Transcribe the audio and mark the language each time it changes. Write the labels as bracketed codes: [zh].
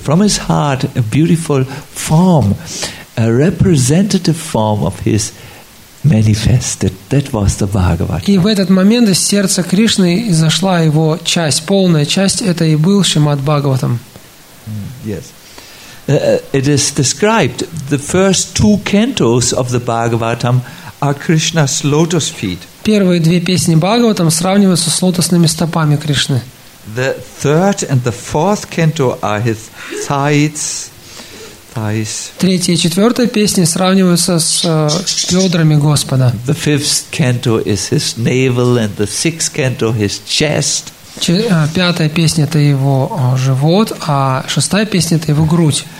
[en] From his heart, a beautiful form, a representative form of his manifested. That was the Bhagavatam. [ru] И в этот момент из сердца Кришны изошла его часть, полная часть, это и был Шримад Бхагаватам. [en] Yes. It is described, the first two cantos of the Bhagavatam are Krishna's lotus feet. [ru] Первые две песни Бхагаватам сравниваются с лотосными стопами Кришны. [en] The third and the fourth canto are his thighs. [ru] Третья и четвертая песни сравниваются с бедрами Господа. [en] The fifth canto is his navel, and the sixth canto his chest. [ru] Пятая песня – это его живот, а шестая песня – это его грудь.